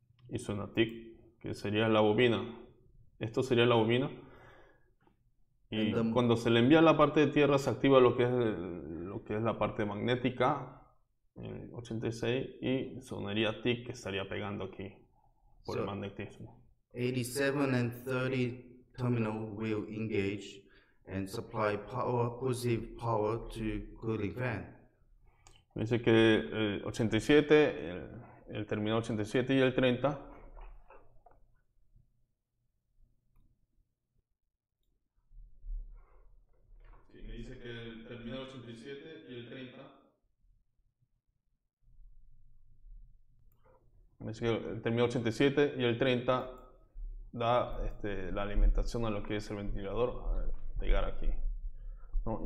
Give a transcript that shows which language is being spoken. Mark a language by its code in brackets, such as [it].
[es] Y suena tic, que sería la bobina. Esto sería la bobina. Y cuando se le envía a la parte de tierra, se activa lo que es la parte magnética, el 86, y sonaría tic, que estaría pegando aquí por el magnetismo. [en] 87 and 30 terminal will engage and supply power, positive power to cooling fan. [es] Dice que el 87, el terminal 87 y el 30 da la alimentación a lo que es el ventilador al llegar aquí, ¿no?